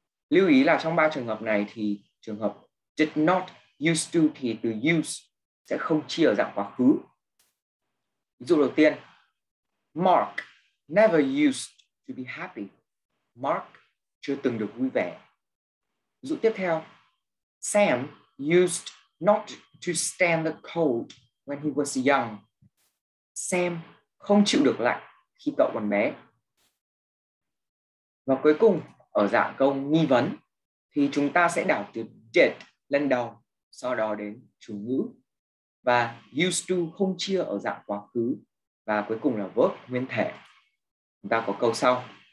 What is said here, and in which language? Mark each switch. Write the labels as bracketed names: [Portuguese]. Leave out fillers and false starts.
[Vietnamese] Lưu ý là trong 3 trường hợp này thì trường hợp did not used to thì từ use sẽ không chia ở dạng quá khứ. Ví dụ đầu tiên, [English] Mark never used to be happy. [Vietnamese] Mark chưa từng được vui vẻ. Ví dụ tiếp theo, [English] Sam used not to stand the cold when he was young. [Vietnamese] Sam không chịu được lạnh khi cậu còn bé. Và cuối cùng, ở dạng câu nghi vấn thì chúng ta sẽ đảo từ did lên đầu, sau đó đến chủ ngữ, và used to không chia ở dạng quá khứ, và cuối cùng là verb nguyên thể. Chúng ta có câu sau.